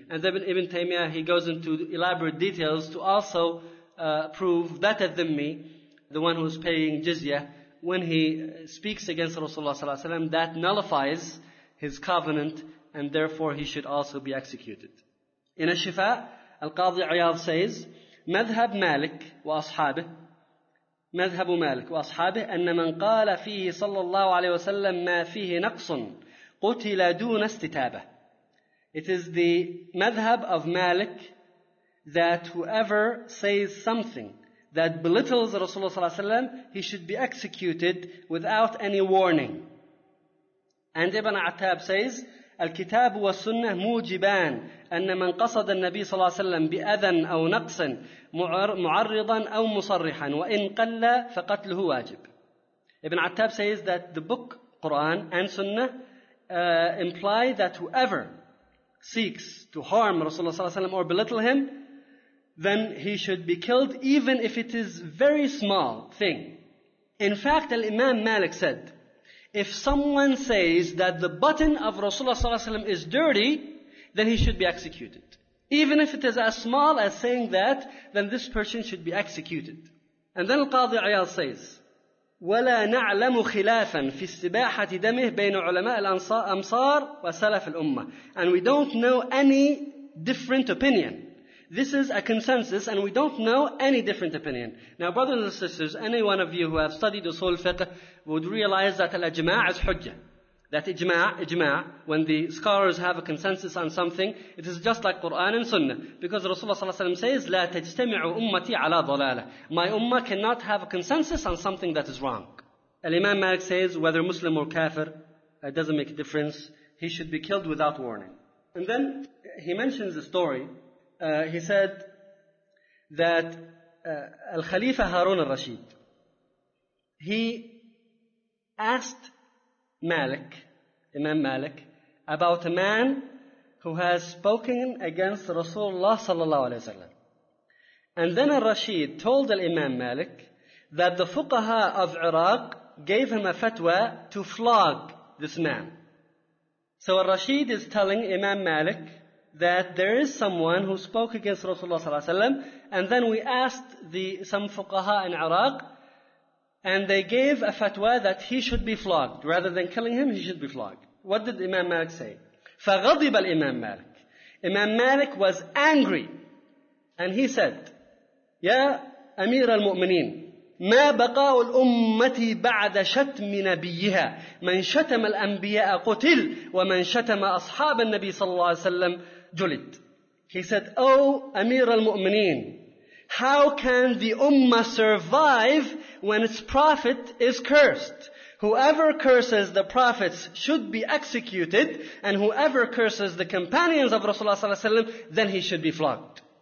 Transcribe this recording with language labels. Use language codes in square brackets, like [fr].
[en] And then Ibn Taymiyyah, he goes into elaborate details to also prove that a dhimmi, the one who's paying jizya, when he speaks against Rasulullah ﷺ, that nullifies his covenant, and therefore he should also be executed. In a shifa, Al-Qadi Iyad says, [ar] مذهب مالك وأصحابه مذهب مالك وأصحابه أن من قال فيه صلى الله عليه وسلم ما فيه نقص قتل دون استتابة. [en] It is the madhab of Malik that whoever says something that belittles Rasulullah صلى الله عليه وسلم, he should be executed without any warning. And Ibn Attab says, [ar] الكتاب والسنة موجبان أن من قصد النبي صلى الله عليه وسلم بأذى أو نقص معرضا أو مصرحا وإن قل فقتله واجب. [en] Ibn Attab says that the book Quran and Sunnah imply that whoever seeks to harm Rasulullah صلى الله عليه وسلم or belittle him, then he should be killed even if it is very small thing. In fact, Imam Malik said, if someone says that the button of Rasulullah ﷺ is dirty, then he should be executed. Even if it is as small as saying that, then this person should be executed. And then Al-Qadi Iyad says, [ar] وَلَا نَعْلَمُ خِلَافًا فِي اسْتِبَاحَةِ دَمِهِ بَيْنُ عُلَمَاءِ الْأَمْصَارِ وَسَلَفِ الْأُمَّةِ. [en] And we don't know any different opinion. This is a consensus, and we don't know any different opinion. Now, brothers and sisters, any one of you who have studied usul fiqh would realize that al-ajma' is hujjah. That ijma', when the scholars have a consensus on something, it is just like Quran and Sunnah. Because Rasulullah ﷺ says, [ar] لا تجتمع أمتي على ضلالة. [en] My ummah cannot have a consensus on something that is wrong. Al-Imam Malik says, whether Muslim or kafir, it doesn't make a difference. He should be killed without warning. And then he mentions a story. He said that Al-Khalifa Harun al-Rashid, he asked Malik, Imam Malik, about a man who has spoken against Rasulullah sallallahu alayhi wa sallam. And then al-Rashid told al-Imam Malik that the fuqaha of Iraq gave him a fatwa to flog this man. So al-Rashid is telling Imam Malik that there is someone who spoke against Rasulullah sallallahu alayhi wa sallam, and then we asked some fuqaha in Iraq, and they gave a fatwa that he should be flogged. Rather than killing him, he should be flogged. What did Imam Malik say? [ar] فَغَضِبَ الْإِمَامُ مَالِكُ. [en] Imam Malik was angry, and he said, [ar] يَا أَمِيرَ الْمُؤْمِنِينَ مَا بَقَاءُ الْأُمَّةِ بَعْدَ شَتْمِ نَبِيِّهَا مَنْ شَتَمَ الْأَنْبِيَاءَ قُتِلْ وَمَنْ شَتَمَ أَصْحَابَ النَّبِيِّ صَلَّى اللَّهُ عَلَيْهِ وَسَلَّمَ جُلِدْ. [en] He said, Oh, أمير المؤمنين, how can the ummah survive when its prophet is cursed? Whoever curses the prophets should be executed, and whoever curses the companions of Rasulullah sallallahu alaihi wasallam, then he should be flogged.